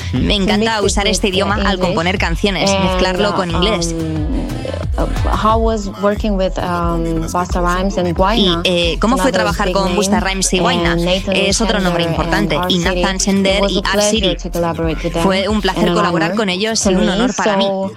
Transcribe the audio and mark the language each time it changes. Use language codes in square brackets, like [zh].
[es] Me encanta usar este idioma al componer canciones, mezclarlo con inglés. [en] How was working with Busta Rhymes and Guayna? [es] Y cómo fue trabajar con Busta Rhymes y Guayna, es otro nombre importante, y Nathan Sender y Art City. Fue un placer colaborar con ellos y un honor para mí.